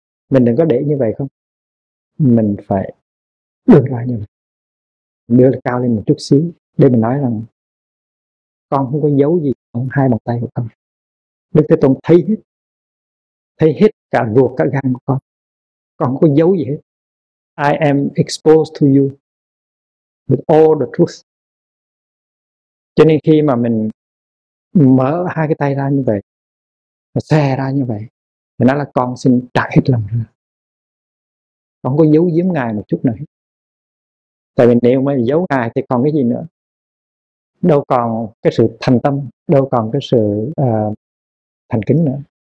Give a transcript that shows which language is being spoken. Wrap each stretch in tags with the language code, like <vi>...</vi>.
<vi>Mình đừng có để như vậy không, mình phải đưa ra như vậy, đưa cao lên một chút xíu để mình nói rằng con không có giấu gì trong hai bàn tay của con. Đức Thế Tôn thấy hết cả ruột cả gan của con. Con không có giấu gì hết.</vi> <en>I am exposed to you with all the truth.</en> <vi>Cho nên khi mà mình mở hai cái tay ra như vậy, xòe ra như vậy, thì nó là con xin trả hết lòng ra, con có giấu giếm ngài một chút nữa. Tại vì nếu mà giấu ngài thì còn cái gì nữa, đâu còn cái sự thành tâm, đâu còn cái sự thành kính nữa.</vi>